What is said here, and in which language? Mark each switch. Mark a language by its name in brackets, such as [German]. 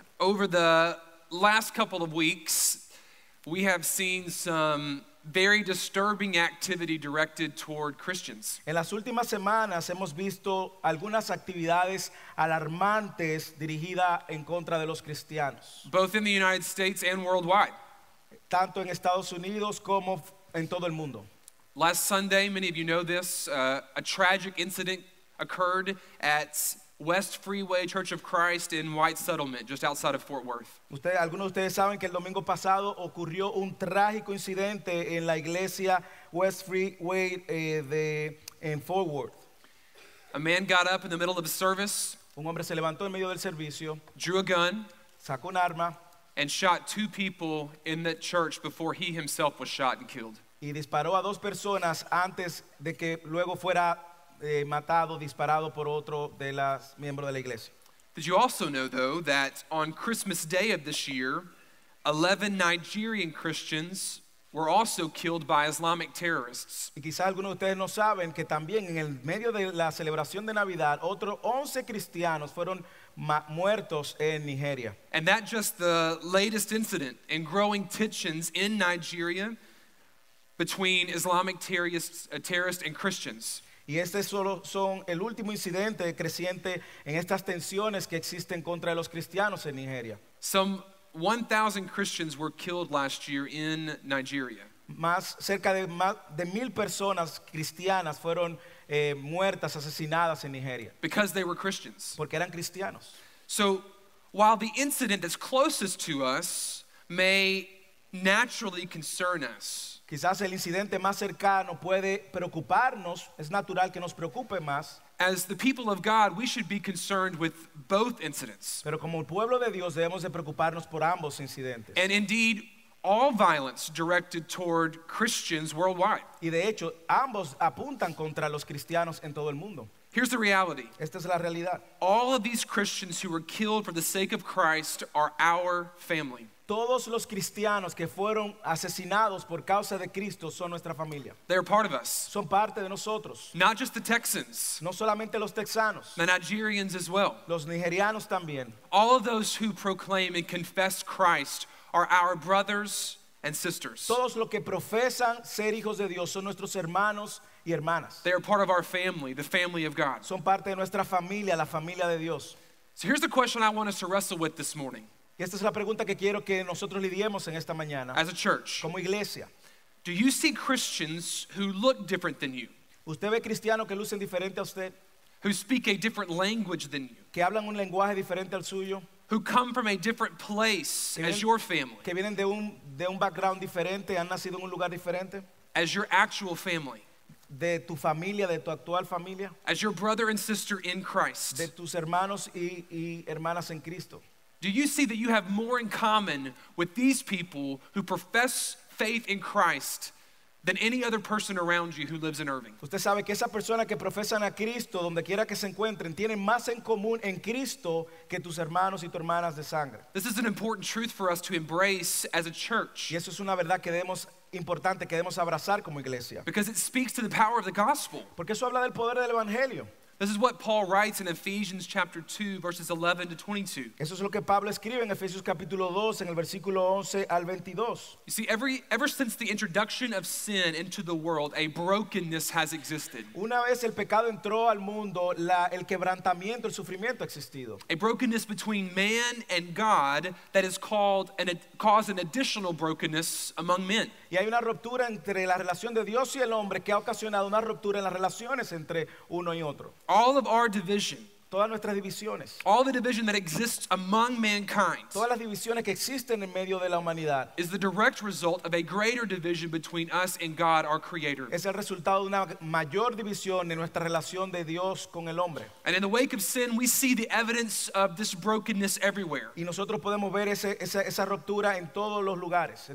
[English] Over the last couple of weeks, we have seen some very disturbing activity directed toward Christians. [Spanish] En las últimas semanas hemos visto algunas actividades alarmantes dirigidas en contra de los cristianos. [English] Both in the United States and worldwide. [Spanish] Tanto en Estados Unidos como en todo el mundo. [English] Last Sunday, many of you know this, a tragic incident occurred at West Freeway Church of Christ in White Settlement, just outside of Fort Worth. [Spanish] Algunos de ustedes saben que el domingo pasado ocurrió un trágico incidente en la iglesia West Freeway en Fort Worth. [English] A man got up in the middle of a service. [Spanish] Un hombre se levantó en medio del servicio. [English] Drew a gun. [Spanish] Sacó un arma. [English] And shot two people in that church before he himself was shot and killed. [Spanish] Y disparó a dos personas antes de que luego fuera matado, disparado por otro de las miembros de la iglesia. [English] Did you also know, though, that on Christmas Day of this year, 11 Nigerian Christians were also killed by Islamic terrorists? [Spanish] Y quizá algunos de ustedes no saben que también en el medio de la celebración de Navidad, otros 11 cristianos fueron muertos en Nigeria. [English] And that just the latest incident in growing tensions in Nigeria between Islamic terrorists and Christians. [Spanish] Y este solo son el último incidente creciente en estas tensiones que existen contra los cristianos en Nigeria. [English] Some 1,000 Christians were killed last year in Nigeria. [Spanish] Más cerca de 1,000 personas cristianas fueron muertas, asesinadas en Nigeria. [English] Because they were Christians. [Spanish] Porque eran cristianos. [English] So, while the incident that's closest to us may naturally concern us, [Spanish] quizás el incidente más cercano puede preocuparnos, es natural que nos preocupe más. [English] As the people of God, we should be concerned with both incidents. [Spanish] Pero como el pueblo de Dios debemos de preocuparnos por ambos incidentes. [English] And indeed, all violence directed toward Christians worldwide. [Spanish] Y de hecho, ambos apuntan contra los cristianos en todo el mundo. [English] Here's the reality. [Spanish] Esta es la realidad. [English] All of these Christians who were killed for the sake of Christ are our family. [Spanish] Todos los cristianos que fueron asesinados por causa de Cristo son nuestra familia. [English] They are part of us. [Spanish] Son parte de nosotros. [English] Not just the Texans. [Spanish] No solamente los texanos. [English] The Nigerians as well. [Spanish] Los nigerianos también. [English] All of those who proclaim and confess Christ are our brothers and sisters. [Spanish] Todos los que profesan ser hijos de Dios son nuestros hermanos y hermanas. [English] They are part of our family, the family of God. [Spanish] Son parte de nuestra familia, la familia de Dios. [English] So here's the question I want us to wrestle with this morning. [Spanish] Y esta es la pregunta que quiero que nosotros lidiemos en esta mañana. [English] As a church, [Spanish] como iglesia. [English] Do you see Christians who look different than you? [Spanish] ¿Usted ve cristianos que lucen diferente a usted? [English] Who speak a different language than you? [Spanish] ¿Que hablan un lenguaje diferente al suyo? [English] Who come from a different place as your family? [Spanish] ¿Que vienen de un background diferente, han nacido en un lugar diferente? [English] As your actual family. [Spanish] de tu familia, de tu actual familia, [English] as your brother and sister in Christ, [Spanish] de tus hermanos y hermanas en Cristo, [English] do you see that you have more in common with these people who profess faith in Christ than any other person around you who lives in Irving? [Spanish] Usted sabe que esa persona que profesan a Cristo donde quiera que se encuentren tienen más en común en Cristo que tus hermanos y tus hermanas de sangre. [English] This is an important truth for us to embrace as a church. [Spanish] Y eso es una verdad que debemos importante que debemos abrazar como iglesia. [English] Because it speaks to the power of the gospel. [Spanish] Porque eso habla del poder del evangelio. [English] This is what Paul writes in Ephesians chapter 2, verses 11 to 22. [Spanish] Eso es lo que Pablo escribe en Efesios capítulo 2, en el versículo 11 al 22. [English] You see, ever since the introduction of sin into the world, a brokenness has existed. [Spanish] Una vez el pecado entró al mundo, el quebrantamiento, el sufrimiento ha existido. [English] A brokenness between man and God that is called and caused an additional brokenness among men. [Spanish] Y hay una ruptura entre la relación de Dios y el hombre que ha ocasionado una ruptura en las relaciones entre uno y otro. [English] All of our division, [Spanish] todas nuestras divisiones, [English] all the division that exists among mankind, [Spanish] todas las divisiones que existen en medio de la humanidad, [English] is the direct result of a greater division between us and God, our Creator. [Spanish] Es el resultado de una mayor división en nuestra relación de Dios con el hombre. [English] And in the wake of sin, we see the evidence of this brokenness everywhere. [Spanish] Y nosotros podemos ver esa ruptura en todos los lugares.